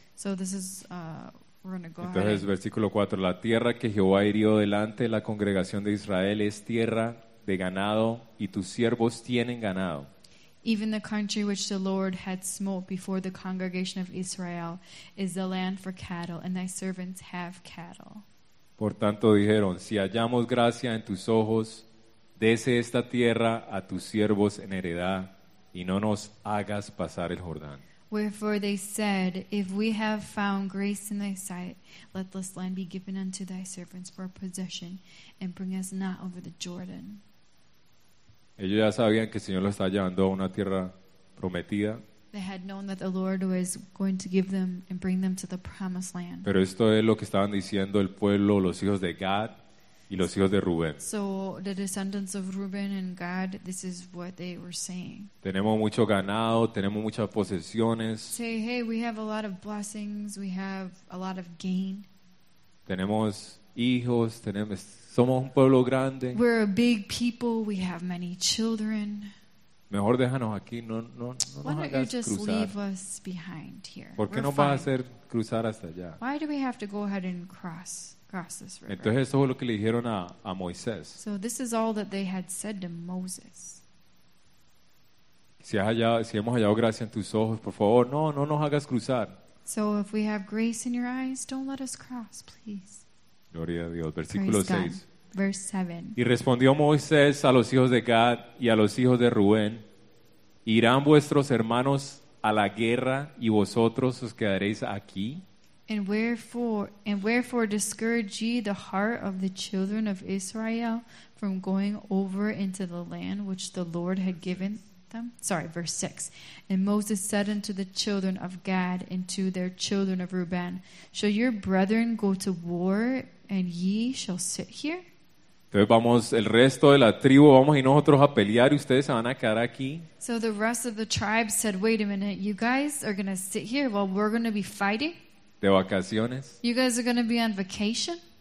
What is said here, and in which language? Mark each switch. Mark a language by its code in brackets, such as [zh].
[en] So this is we're going to go [es] Entonces, [en] ahead. [es] Entonces, versículo 4. La tierra que Jehová hirió delante de la congregación de Israel es tierra de ganado y tus siervos tienen ganado. [en] Even the country which the Lord had smote before the congregation of Israel is the land for cattle, and thy servants have cattle. [es] Por tanto dijeron, si hallamos gracia en tus ojos, dése esta tierra a tus siervos en heredad, y no nos hagas pasar el Jordán. [en] Wherefore they said, if we have found grace in thy sight, let this land be given unto thy servants for a possession, and bring us not over the Jordan. [es] Ellos ya sabían que el Señor los estaba llevando a una tierra prometida. [en] They had known that the Lord was going to give them and bring them to the promised land. [es] Pero esto es lo que estaban diciendo el pueblo, los hijos de Gad y los hijos de Rubén. [en] So the descendants of Reuben and Gad, this is what they were saying. [es] Tenemos mucho ganado, tenemos muchas posesiones. [en] Say, hey, we have a lot of blessings, we have a lot of gain. [es] Tenemos hijos, tenemos somos un pueblo grande. [en] We're a big people, we have many children. [es] Mejor déjanos aquí, no [en] Why don't [es] nos hagas [en] you just [es] cruzar. [en] Leave us behind here? [es] ¿Por qué nos va a hacer cruzar hasta allá? [en] Why do we have to go ahead and cross this river? [es] Entonces eso fue lo que le dijeron a Moisés. [en] So this is all that they had said to Moses. [es] Si hemos hallado gracia en tus ojos, por favor, no nos hagas cruzar. [en] So if we have grace in your eyes, don't let us cross, please. [es] Gloria a Dios. Versículo 6. [en] Verse 7. [es] Y respondió Moisés a los hijos de Gad y a los hijos de Rubén, ¿irán vuestros hermanos a la guerra y vosotros os quedaréis aquí? [en] And wherefore discourage ye the heart of the children of Israel from going over into the land which the Lord had given them? Sorry, verse 6. And Moses said unto the children of Gad and to their children of Reuben, shall your brethren go to war and ye shall sit here? [es] Entonces vamos, el resto de la tribu, vamos y nosotros a pelear y ustedes se van a quedar aquí. [en] So the rest of the tribe said, wait a minute, you guys are going to sit here while we're going to be fighting? [es] De vacaciones. [en] You guys are going to be on vacation?